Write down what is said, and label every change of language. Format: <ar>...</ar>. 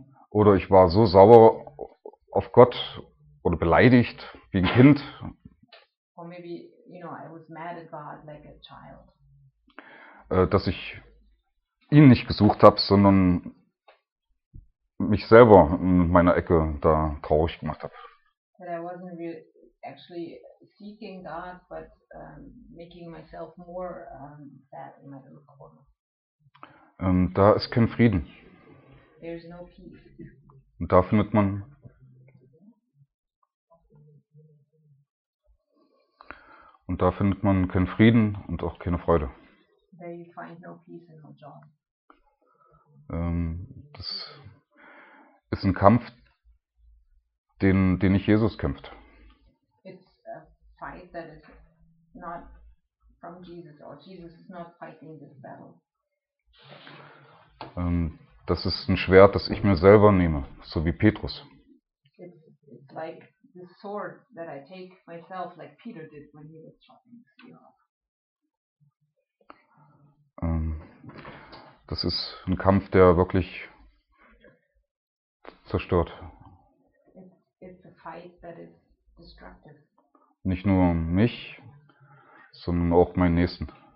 <de>Oder ich war so sauer auf Gott oder beleidigt wie ein Kind.</de> <en>Or maybe, you know, I was mad at God like a child.</en> <de>Dass ich ihn nicht gesucht habe, sondern mich selber in meiner Ecke da traurig gemacht habe.</de> <en>That I wasn't really actually seeking God, but making myself more sad in my little corner.</en> <de>Da ist kein Frieden.</de> <en>There's no peace.</en> <de>Und da findet man keinen Frieden und auch keine Freude.</de> <en>There you find no peace and no joy.</en> <de>Das ist ein Kampf, den nicht Jesus kämpft.</de> <en>It's a fight that is not from Jesus, or Jesus is not fighting this battle.</en> <de>Das ist ein Schwert, das ich mir selber nehme, so wie Petrus.</de> <en>It's like the sword that I take myself, like Peter did when he was chopping the sea off.</en> <de>Das ist ein Kampf, der wirklich zerstört.</de> <en>It's a fight that is destructive.</en> <de>Nicht nur mich, sondern auch meinen Nächsten.</de>